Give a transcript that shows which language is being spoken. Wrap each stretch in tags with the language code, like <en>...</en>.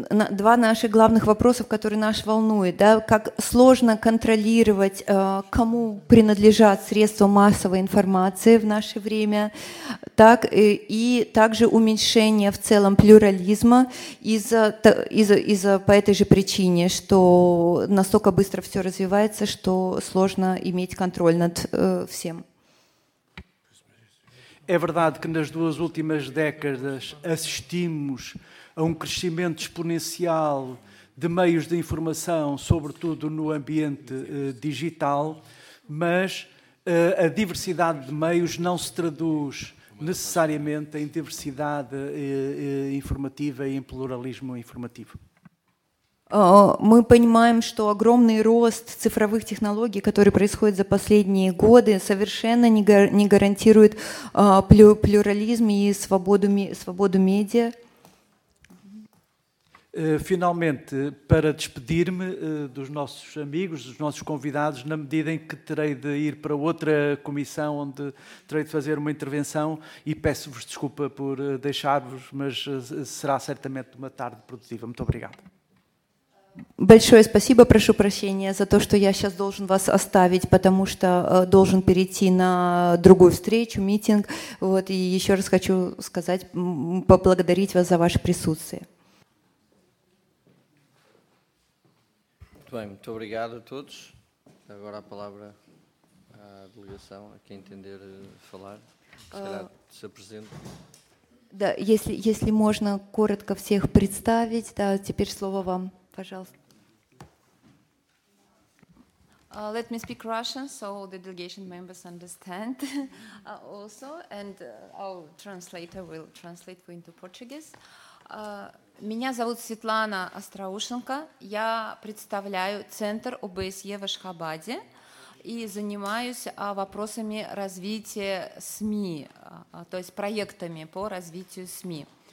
<ru>Два наших главных вопроса, которые нас волнуют. Да? Как сложно контролировать, кому принадлежат средства массовой информации в наше время, так, и также уменьшение в целом плюрализма из-за по этой же причине, что настолько быстро все развивается, что сложно иметь контроль над всем.</ru> <pt>É verdade que nas duas últimas décadas assistimos a um crescimento exponencial de meios de informação, sobretudo no ambiente digital, mas a diversidade de meios não se traduz necessariamente em diversidade informativa e em pluralismo informativo.</pt> <ru>Мы понимаем, что огромный рост цифровых технологий, который происходит за последние годы, совершенно не гарантирует плюрализм и свободу медиа.</ru> <pt>Finalmente, para despedir-me dos nossos amigos, dos nossos convidados, na medida em que terei de ir para outra comissão onde terei de fazer uma intervenção e peço-vos desculpa por deixar-vos, mas será certamente uma tarde produtiva. Muito obrigado.</pt> <ru>Большое спасибо, прошу прощения за то, что я сейчас должен вас оставить, потому что должен перейти на другую встречу, митинг. Вот, и еще раз хочу сказать, поблагодарить вас за ваше присутствие.</ru> <pt>Muito obrigado a todos. Agora a palavra à delegação, a quem entender falar, se apresente.</pt> <ru>Да, если можно коротко всех представить, да, теперь слово вам. Пожалуйста.</ru> <en>Let me speak Russian so the delegation members understand also, and our translator will translate into Portuguese.</en> <ru>Меня зовут Светлана Остроушенко. Я представляю Центр ОБСЕ в Ашхабаде и занимаюсь вопросами развития СМИ, то есть проектами по развитию СМИ.</ru>